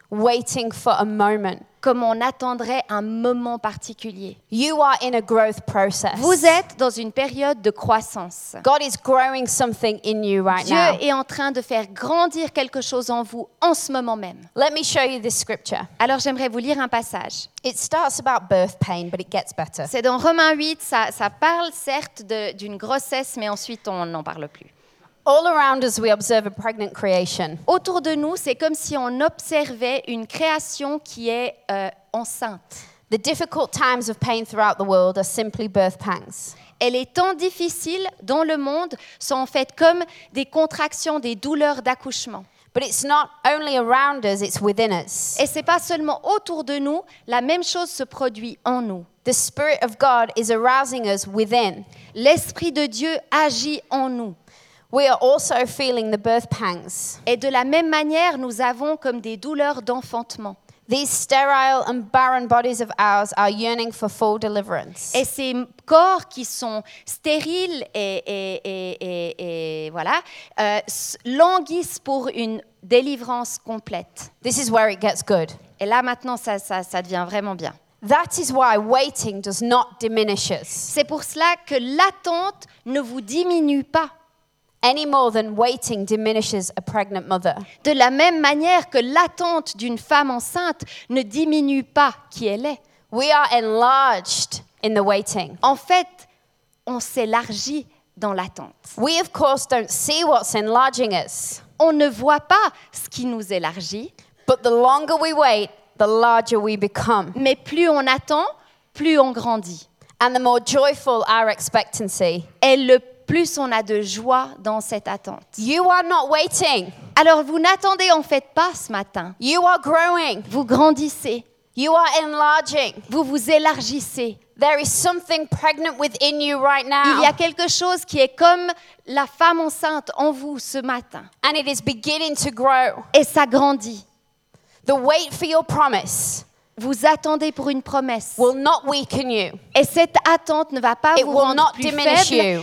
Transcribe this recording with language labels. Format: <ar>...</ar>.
<en>Waiting for a moment.</en> <fr>Comme on attendrait un moment particulier.</fr> <en>You are in a growth process.</en> <fr>Vous êtes dans une période de croissance.</fr> <en>God is growing something in you right</en> <fr>Dieu</fr> <en>now.</en> <fr>Est en train de faire grandir quelque chose en vous en ce moment même.</fr> <en>Let me show you this scripture.</en> <fr>Alors j'aimerais vous lire un passage.</fr> <en>It starts about birth pain, but it gets better.</en> <fr>C'est dans Romains 8, ça parle certes d'une grossesse, mais ensuite on n'en parle plus.</fr> <en>All around us, we observe a pregnant creation.</en> <fr>Autour de nous, c'est comme si on observait une création qui est enceinte.</fr> <en>The difficult times of pain throughout the world are simply birth pangs.</en> <fr>Et les temps difficiles dans le monde sont en fait comme des contractions, des douleurs d'accouchement.</fr> <en>But it's not only around us, it's within us.</en> <fr>Et c'est pas seulement autour de nous, la même chose se produit en nous.</fr> <en>The Spirit of God is arousing us within.</en> <fr>L'Esprit de Dieu agit en nous.</fr> <en>We are also feeling the birth pangs.</en> <fr>Et de la même manière, nous avons comme des douleurs d'enfantement.</fr> <en>These sterile and barren bodies of ours are yearning for full deliverance.</en> <fr>Et ces corps qui sont stériles et voilà, languissent pour une délivrance complète.</fr> <en>This is where it gets good.</en> <fr>Et là maintenant, ça devient vraiment bien.</fr> <en>That is why waiting does not diminish us.</en> <fr>C'est pour cela que l'attente ne vous diminue pas.</fr> <en>Any more than waiting diminishes a pregnant mother.</en> <fr>De la même manière que l'attente d'une femme enceinte ne diminue pas qui elle est.</fr> <en>We are enlarged in the waiting.</en> <fr>En fait, on s'élargit dans l'attente.</fr> <en>We of course don't see what's enlarging us.</en> <fr>On ne voit pas ce qui nous élargit.</fr> <en>But the longer we wait, the larger we become.</en> <fr>Mais plus on attend, plus on grandit.</fr> <en>And the more joyful our expectancy.</en> <fr>Et le plus on a de joie dans cette attente.</fr> <en>You are not waiting.</en> <fr>Alors vous n'attendez en fait pas ce matin.</fr> <en>You are growing.</en> <fr>Vous grandissez.</fr> <en>You are enlarging.</en> <fr>Vous vous élargissez.</fr> <en>There is something pregnant within you right now.</en> <fr>Il y a quelque chose qui est comme la femme enceinte en vous ce matin.</fr> <en>And it is beginning to grow.</en> <fr>Et ça grandit.</fr> <en>The wait for your promise.</en> <fr>Vous attendez pour une promesse.</fr> <en>Will not weaken you.</en> <fr>Et cette attente ne va pas</fr> <en>it</en> <fr>vous rendre</fr> <en>not</en> <fr>plus faible.</fr>